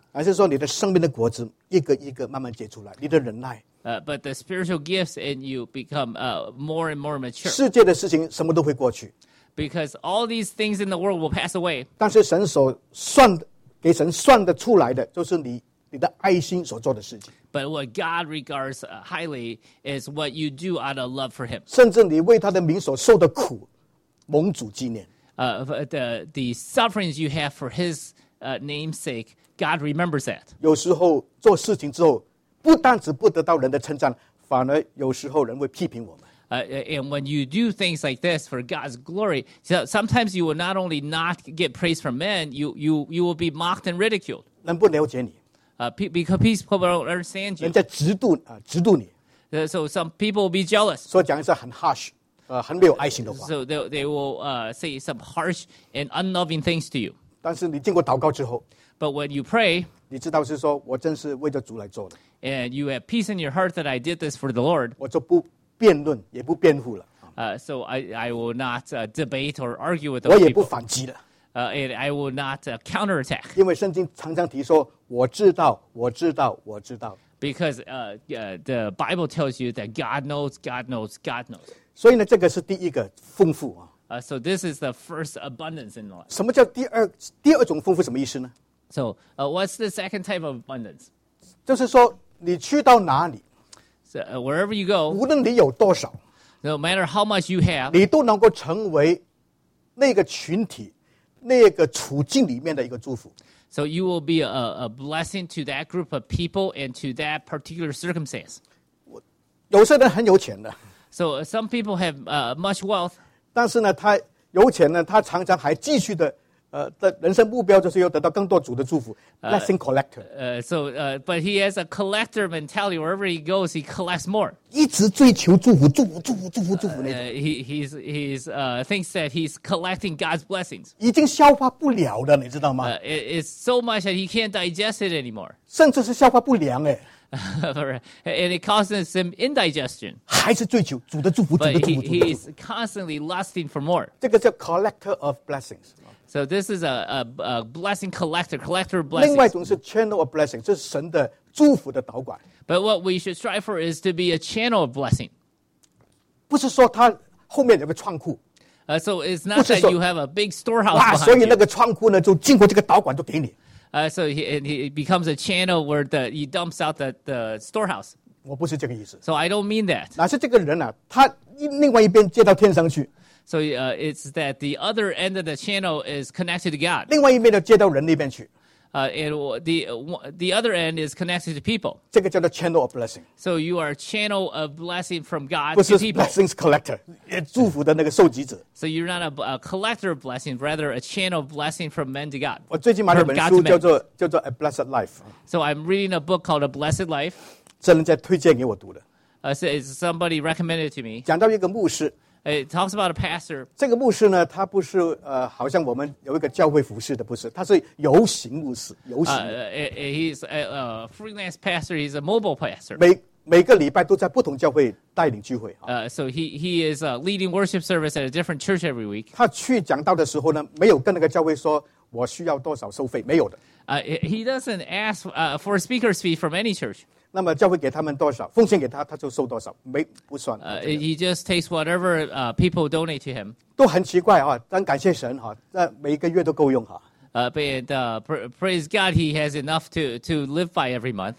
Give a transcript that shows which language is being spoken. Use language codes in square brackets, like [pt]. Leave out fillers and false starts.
[zh] 而是说你的生命的果子一个一个慢慢结出来，你的忍耐。 [en] But the spiritual gifts and you become more and more mature. [zh] 世界的事情什么都会过去。 [en] Because all these things in the world will pass away. [zh] 但是神所算的。给神算得出来的就是 你的爱心所做的事情 [en] But what God regards highly is what you do out of love for him [zh] 甚至你为他的名所受的苦蒙主纪念 [en] The sufferings you have for his namesake God remembers that [zh] 有时候做事情之后不但只不得到人的称赞反而有时候人会批评我们 [en] And when you do things like this for God's glory, so sometimes you will not only not get praise from men, you will be mocked and ridiculed. [zh] 人不了解你。 [en] Because people don't understand you. [zh] 人家嫉妒你。 [en] So some people will be jealous. [zh] 所以讲一些很 harsh, 很没有爱心的话。 [en] So they will say some harsh and unloving things to you. [zh] 但是你经过祷告之后。 [en] But when you pray, [zh] 你知道是说我真是为着主来做的。 [en] And you have peace in your heart that I did this for the Lord. [zh] 我就不辩论也不辩护了。 [en] So I will not debate or argue with the people. [zh] 我也不反击了。 [en] and I will not counterattack. [zh] 因为圣经常常提说，我知道，我知道，我知道。 [en] Because the Bible tells you that God knows, God knows, God knows. [zh] 所以呢，这个是第一个丰富啊。 [en] So this is the first abundance in life. [zh] 什么叫第二种丰富？什么意思呢？ [en] So, what's the second type of abundance? [zh] 就是说，你去到哪里？ [en] So, wherever you go, [zh] 无论你有多少， [en] no matter how much you have, [zh] 你都能够成为那个群体那个处境里面的一个祝福。 [en] So you will be a blessing to that group of people and to that particular circumstance. [zh] 有些人很有钱的， [en] so some people have much wealth, [zh] 但是呢他有钱呢他常常还继续的的人生目标就是要得到更多主的祝福。 [en] Blessing collector. But he has a collector mentality. Wherever he goes, he collects more. [zh] 一直追求祝福，祝福，祝福，祝福，祝福那种。 [en] He thinks that he's collecting God's blessings. [zh] 已经消化不了了，你知道吗？ [en] It's so much that he can't digest it anymore. [zh] 甚至是消化不良哎。 [en] And it causes him indigestion. [zh] 还是追求主的祝福，主的祝福，主的祝福。 [en] But he's constantly lusting for more. [zh] 这个叫 [en] collector of blessings. So this is a blessing collector of blessings. [zh] 另外一种是 [en] channel of blessing, [zh] 这是神的祝福的导管。 [en] But what we should strive for is to be a channel of blessing. [zh] 不是说他后面有个仓库。 [en] So it's not that you have a big storehouse behind you. [zh] 所以那个仓库呢，就经过这个导管就给你。 [en] So he becomes a channel where he dumps out the storehouse. [zh] 我不是这个意思。 [en] So I don't mean that. [zh] 那是这个人啊，他另外一边接到天上去。 [en] So it's that the other end of the channel is connected to God. [zh] 另外一面就接到人那边去。 [en] And the other end is connected to people. [zh] 这个叫做 [en] channel of blessing. So you are a channel of blessing from God to people. [zh] 不是 [en] blessings collector, [zh] 祝福的那个受集者。 [en] So you're not a collector of blessing, rather a channel of blessing from men to God. [zh] 我最近买了本书叫做 A Blessed Life. [en] So I'm reading a book called A Blessed Life. [zh] 这人家推荐给我读的。 [en] It's somebody recommended to me. [zh] 讲到一个牧师。 [en] It talks about a pastor. [zh] 这个牧师呢，他不是好像我们有一个教会服事的，不是，他是游行牧师，游行。 [en] He's a freelance pastor. He's a mobile pastor. [zh] 每个礼拜都在不同教会带领聚会。 [en] So he is leading worship service at a different church every week. [zh] 他去讲道的时候呢，没有跟那个教会说我需要多少收费，没有的。 [en] He doesn't ask for a speaker's fee from any church. [zh] 那么教会给他们多少，奉献给他，他就收多少，没不算。 [en] He just takes whatever people donate to him. [zh] 都很奇怪啊，但感谢神哈，那每个月都够用哈。 [en] Praise God, he has enough to live by every month.